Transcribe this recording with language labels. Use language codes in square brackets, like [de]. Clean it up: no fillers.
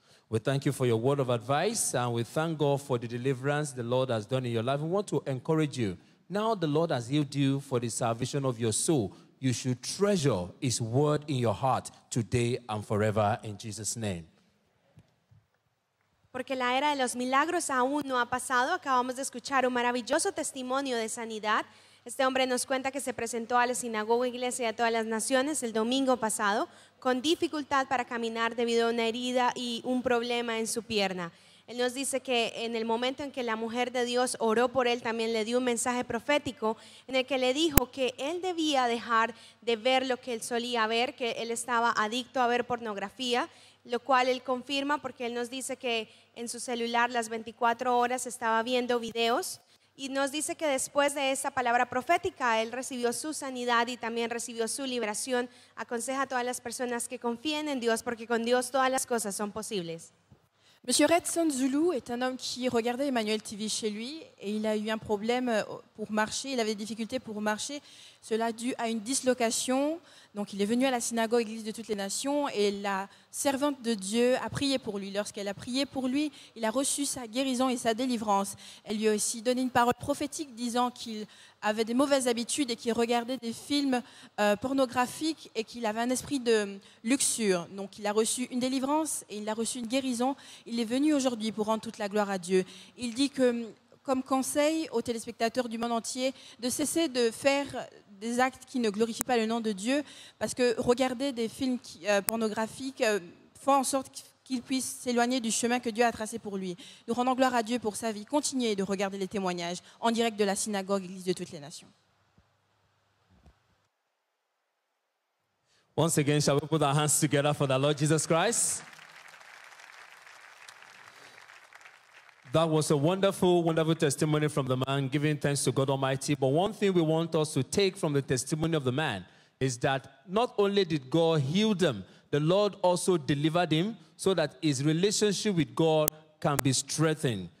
[en] We thank you for your word of advice and we thank God for the deliverance the Lord has done in your life. We want to encourage you. Now the Lord has healed you for the salvation of your soul. You should treasure his word in your heart today and forever in Jesus' name. [es] Porque la era de los milagros aún no ha pasado. Acabamos de escuchar un maravilloso testimonio de sanidad. Este hombre nos cuenta que se presentó a la sinagoga, iglesia y a todas las naciones el domingo pasado con dificultad para caminar debido a una herida y un problema en su pierna. Él nos dice que en el momento en que la mujer de Dios oró por él, también le dio un mensaje profético en el que le dijo que él debía dejar de ver lo que él solía ver, que él estaba adicto a ver pornografía, lo cual él confirma porque él nos dice que en su celular las 24 horas estaba viendo videos y nos dice que después de esa palabra profética él recibió su sanidad y también recibió su liberación. Aconseja a todas las personas que confíen en Dios porque con Dios todas las cosas son posibles. [fr] Monsieur Redson Zulu est un homme qui regardait EMMANUELTV chez lui et il a eu un problème pour marcher, il avait des difficultés pour marcher, cela dû à une dislocation. Donc il est venu à la synagogue Église de toutes les nations et la servante de Dieu, a prié pour lui. Lorsqu'elle a prié pour lui, il a reçu sa guérison et sa délivrance. Elle lui a aussi donné une parole prophétique disant qu'il avait des mauvaises habitudes et qu'il regardait des films pornographiques et qu'il avait un esprit de luxure. Donc il a reçu une délivrance et il a reçu une guérison. Il est venu aujourd'hui pour rendre toute la gloire à Dieu. Il dit que, comme conseil aux téléspectateurs du monde entier, de cesser de faire des actes qui ne glorifient pas le nom de Dieu, parce que regarder des films pornographiques font en sorte qu'il puisse s'éloigner du chemin que Dieu a tracé pour lui. Nous rendons gloire à Dieu pour sa vie. Continuez de regarder les témoignages en direct de la synagogue Église de toutes les nations. [en] Once again, shall we put our hands together for the Lord Jesus Christ? That was a wonderful, wonderful testimony from the man giving thanks to God Almighty. But one thing we want us to take from the testimony of the man is that not only did God heal them, the Lord also delivered him so that his relationship with God can be strengthened.